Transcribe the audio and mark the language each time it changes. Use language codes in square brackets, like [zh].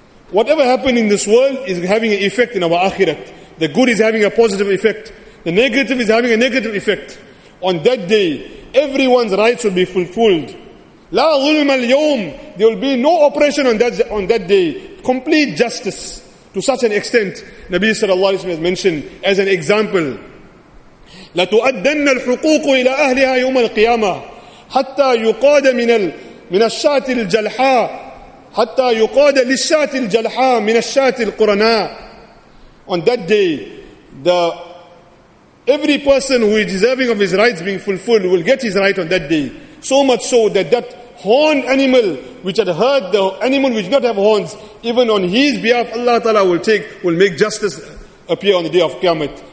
[en] Whatever happened in this world is having an effect in our akhirat. The good is having a positive effect. The negative is having a negative effect. On that day, everyone's rights will be fulfilled. [ar] La ghulma al-Yawm. [en] There will be no oppression on that day. Complete justice To such an extent, Nabi sallallahu alayhi wa sallam has mentioned as an example, [ar] لَتُؤَدَّنَّ الْحُقُوقُ إِلَىٰ أَهْلِهَا يَوْمَ الْقِيَامَةِ حَتَّى يُقَادَ مِنَ الشَّاتِ الْجَلْحَىٰ حَتَّى يُقَادَ لِلشَّاتِ الْجَلْحَىٰ مِنَ الشَّاتِ الْقُرَنَىٰ. [en] On that day, every person who is deserving of his rights being fulfilled will get his right on that day. So much so that horned animal which had hurt the animal which did not have horns, even on his behalf Allah Ta'ala will make justice appear on the day of Qiyamah.